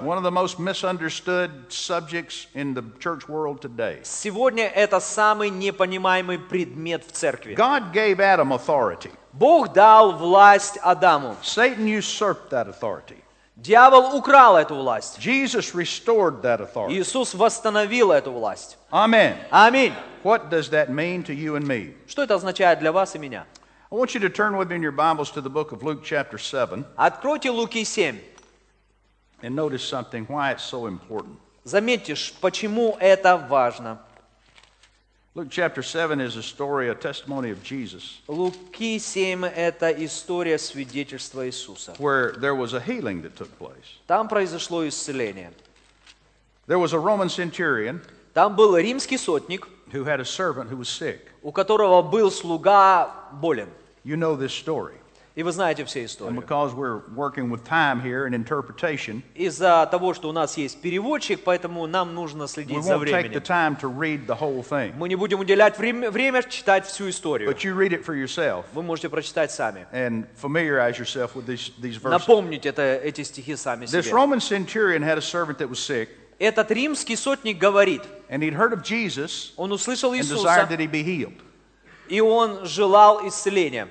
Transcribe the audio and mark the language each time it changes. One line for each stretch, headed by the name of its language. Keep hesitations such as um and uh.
English: One of the most misunderstood subjects in the church world today.
Russian: Сегодня это самый непонимаемый предмет в церкви.
English: God gave Adam authority.
Russian: Бог дал власть Адаму.
English: Satan usurped that authority.
Russian: Дьявол украл эту власть.
English: Jesus restored that authority.
Russian: Иисус восстановил эту власть. Аминь.
English: Аминь what does that mean to you and me?
Russian: Что это означает для вас и меня?
English: I want you to turn with me in your Bibles to the book of Luke chapter 7.
Russian: Откройте Луки 7.
English: And notice something, why it's so important.
Russian: Заметьте, почему это важно.
English: Luke chapter 7 is a story, a testimony of Jesus.
Russian: Луки 7 – это история свидетельства Иисуса.
English: Where there was a healing that took place.
Russian: Там произошло исцеление.
English: There was a Roman centurion.
Russian: Там был римский сотник.
English: who had a servant who was sick.
Russian: У которого был слуга болен.
English: You know this story.
Russian: И вы знаете все истории.
English: And because we're working with time here and interpretation.
Russian: Из-за того, что у нас есть переводчик, поэтому нам нужно следить за временем.
English: We won't take the time to read the whole thing.
Russian: Мы не будем уделять время, время читать всю историю.
English: But you read it for yourself.
Russian: Вы можете прочитать сами.
English: And familiarize yourself with these, these verses.
Russian: Напомнить это эти стихи сами себе.
English: This Roman centurion had a servant that was sick.
Russian: этот римский сотник говорит, Jesus он услышал Иисуса, he и он желал исцеления.